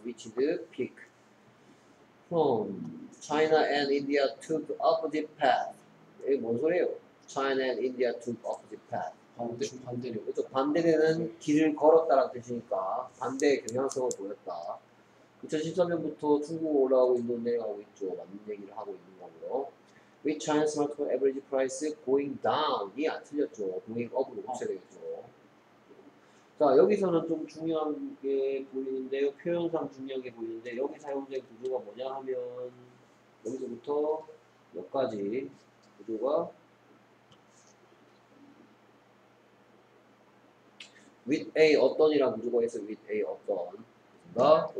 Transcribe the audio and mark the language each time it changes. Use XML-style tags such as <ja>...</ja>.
<en>Reached peak. From China and India took opposite path.</en> <ko>이게 뭔 소리예요?</ko> <en>China and India took opposite path.</en> <ko>반대로. 그렇죠. 반대되는 길을 걸었다라는 뜻이니까 반대의 경향성을 보였다. 2013년부터 중국 올라가고 인도 내려가고 있죠. 맞는 얘기를 하고 있는 거고요.</ko> <en>With China's smartphone average price going down이</en> <ko>안 틀렸죠.</ko> <en>going up</en> <ko>으로 붙여야 되겠죠. 자 여기서는 좀 중요한 게 보이는데요. 표현상 중요한 게 보이는데 여기 사용된 구조가 뭐냐 하면 여기서부터 몇 가지 구조가 with a 어떤이라는 구조가 있어요. with a 어떤 있습니다.</ko>